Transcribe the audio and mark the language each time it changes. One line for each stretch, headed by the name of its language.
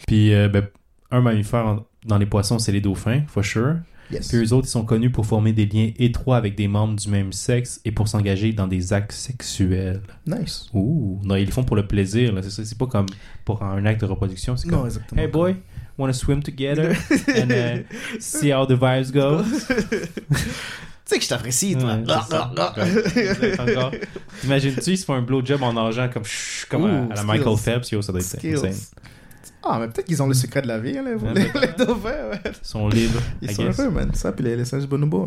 French: Puis, un mammifère dans les poissons, c'est les dauphins,
English: for sure. Yes.
French: Puis eux autres, ils sont connus pour former des liens étroits avec des membres du même sexe et pour s'engager dans des actes sexuels.
English: Nice. Ouh.
French: Non, ils le font pour le plaisir, là. C'est ça. C'est pas comme pour un acte de reproduction. C'est comme, non, exactement.
English: Hey, boy, comme... wanna swim together and see how the vibes go?
French: Tu sais que je t'apprécie, toi. Ouais, encore. T'imagines-tu, ils se font un blowjob en nageant comme, comme ooh, à la Michael Phelps. Yo, ça doit être insane. Ah, mais peut-être qu'ils ont le secret de la vie, là, vous, les dauphins, ouais. Ils sont libres, ils sont heureux, man. Ça, puis les singes bonobos.